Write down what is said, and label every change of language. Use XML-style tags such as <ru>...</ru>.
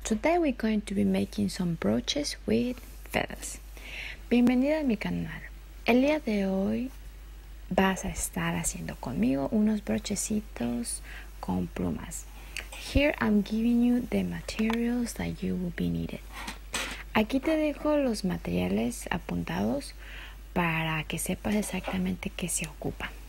<en>Today we're going to be making some brooches with feathers.</en> <es>Bienvenida a mi canal. El día de hoy vas a estar haciendo conmigo unos brochecitos con plumas.</es> <en>Here I'm giving you the materials that you will be needed.</en> <es>Aquí te dejo los materiales apuntados para que sepas exactamente qué se ocupa.</es>